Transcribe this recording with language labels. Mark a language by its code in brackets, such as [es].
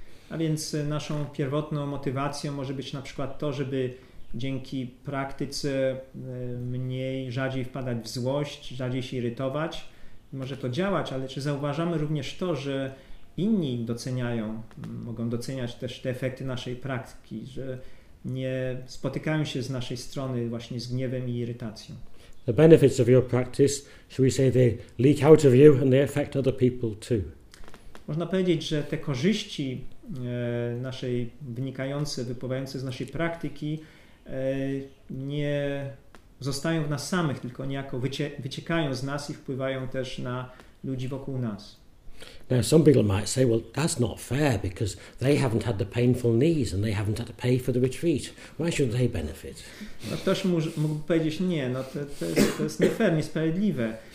[pl] A więc naszą pierwotną motywacją może być na przykład to, żeby dzięki praktyce mniej, rzadziej wpadać w złość, rzadziej się irytować. Może to działać, ale czy zauważamy również to, że inni doceniają, mogą doceniać też te efekty naszej praktyki, że nie spotykają się z naszej strony właśnie z gniewem i irytacją. [en] The benefits of your practice, shall we say, they leak out of you and they affect other people too. [pl] Można powiedzieć, że te korzyści naszej wynikające, wypływające z naszej praktyki nie zostają w nas samych, tylko niejako wyciekają z nas i wpływają też na ludzi wokół nas. [en] Now some people might say, well, that's not fair because they haven't had the painful knees and they haven't had to pay for the retreat. Why should they benefit? [pl] No ktoś mógłby powiedzieć, nie, no to jest nie fair, niesprawiedliwe.